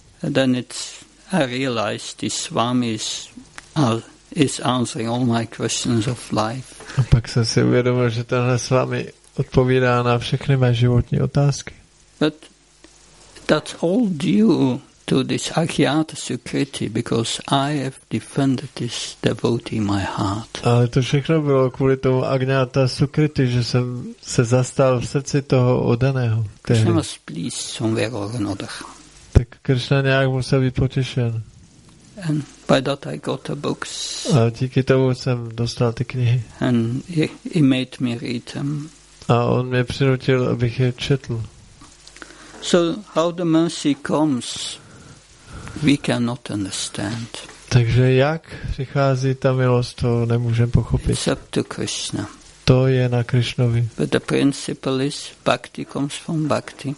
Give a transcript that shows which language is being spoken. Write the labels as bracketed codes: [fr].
[en] And then I realized this Swami is answering all my questions of life. [cs] A pak jsem si uvědomil, že tenhle Swami odpovídá na všechny mé životní otázky. [en] But that's all due to this Akhyata Sukriti, because I have defended this devotee in my heart. [cs] Ale to všechno bylo kvůli tomu Akhyata Sukriti, že jsem se zastal v srdci toho oddaného. [en] Krishna must please somewhere or another. [cs] Tak Krishna nějak musel být potěšen. [en] And by that I got the books. [cs] A díky tomu jsem dostal ty knihy. [en] And he made me read them. [cs] A on mě přinutil, abych je četl. [en] So how the mercy comes, we cannot understand. [cs] Takže jak přichází ta milost, to nemůžeme pochopit. [en] It's up to Krishna. [cs] To je na Krishnovi. [en] But the principle is bhakti comes from bhakti.